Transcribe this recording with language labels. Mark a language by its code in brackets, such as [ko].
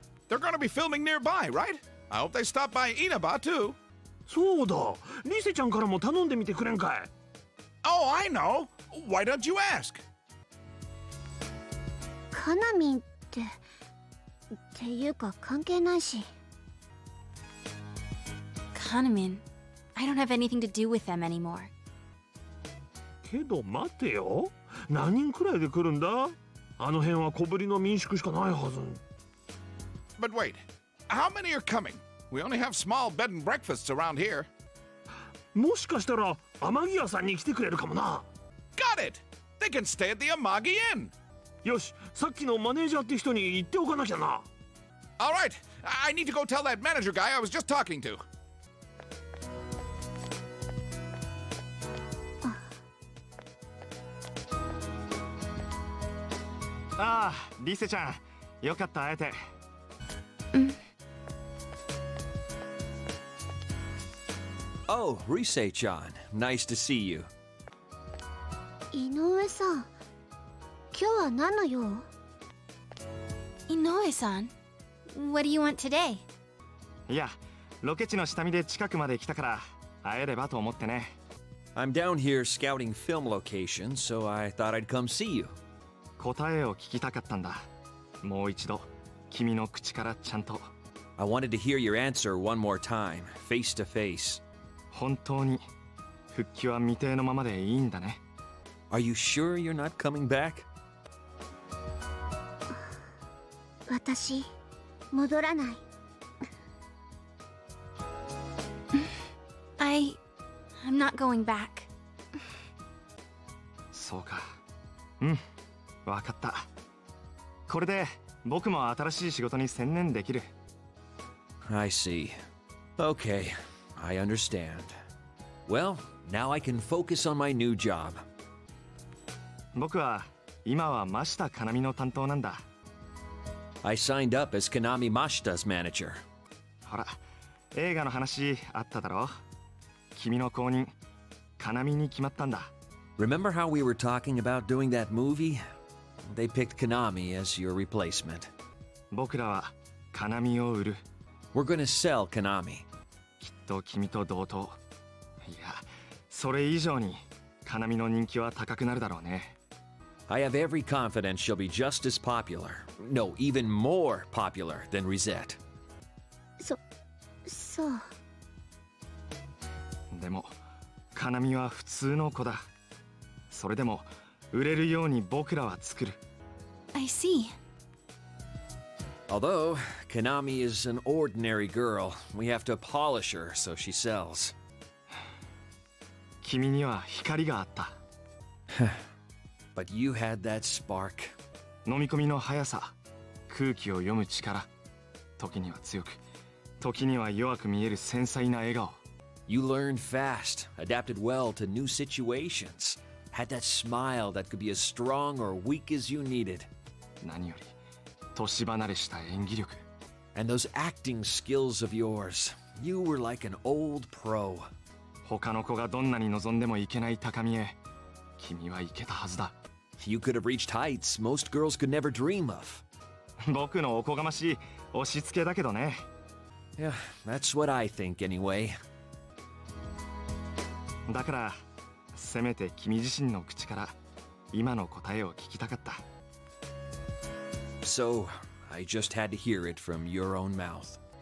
[en] They're gonna be filming nearby, right? I hope they stop by Inaba too. [ja] そうだ。リセちゃんからも頼んでみてくれんかい。 [en] Oh, I know. Why don't you ask? [ja] カナミンって、っていうか関係ないし。 [en] Kanamin, I don't have anything to do with them anymore. [ja] けど待てよ。何人くらいで来るんだ？あの辺は小ぶりの民宿しかないはず。 [en] But wait, how many are coming? We only have small bed and breakfasts around here. [ja] もしかしたら天木屋さんに来てくれるかもな。 [en] Got it! They can stay at the Amagi Inn! [ja] よし、さっきのマネージャーって人に言っておかなきゃな。 [en] Alright, I need to go tell that manager guy I was just talking to. [ja] ああ、リセちゃん、よかった、会えて。うん。 [en] Oh, Rise-chan, nice to see you. [ja] 井上さん、今日は何の用？ [en] 井上さん、What do you want today? [ja] いや、ロケ地の下見で近くまで来たから、会えればと思ってね。 [en] I'm down here scouting film locations, so I thought I'd come see you. [ja] 答えを聞きたかったんだ。もう一度、君の口からちゃんと。 [en] I wanted to hear your answer one more time, face to face. [ja] 本当に復帰は未定のままでいいんだね。 [en] Are you sure you're not coming back? [ja] 私、戻らない。 [en] I'm not going back. [ja] そうか。うん。わかった。これで僕も新しい仕事に専念できる。 [en] I see. Okay, I understand. Well, now I can focus on my new job. [ja] 僕は今はマシタ・カナミの担当なんだ。 [en] I signed up as Kanami Mashita's manager. [ja] ほら、映画の話あっただろ。君の後任、カナミに決まったんだ。 [en] Remember how we were talking about doing that movie? They picked Kanami as your replacement. [ja] 僕らはカナミを売る。 [en] We're gonna sell Kanami. [ja] きっと君と同等。いや、それ以上にカナミの人気は高くなるだろうね。 [en] I have every confidence she'll be just as popular. No, even more popular than Rizet. [ja] そう。でも、カナミは普通の子だ。それでも、売れるように僕らは作る。 [en] I see. Although, Kanami is an ordinary girl, we have to polish her so she sells. [ja] 君には光があった。 [en] But you had that spark. [ja] 飲み込みの速さ、空気を読む力、時には強く、時には弱く見える繊細な笑顔。 [en] You learned fast, adapted well to new situations. Had that smile that could be as strong or weak as you needed. [ja] 何より、年離れした演技力。 [en] And those acting skills of yours. You were like an old pro. [ja] 他の子がどんなに望んでもいけない高みへ、君は行けたはずだ。 [en] You could have reached heights most girls could never dream of. [ja] 僕のおこがましい押し付けだけどね。 [en] Yeah, that's what I think anyway. [ja] だから、せめて君自身の口から今の答えを聞きたかった。 [en] So, I just had to hear it from your own mouth.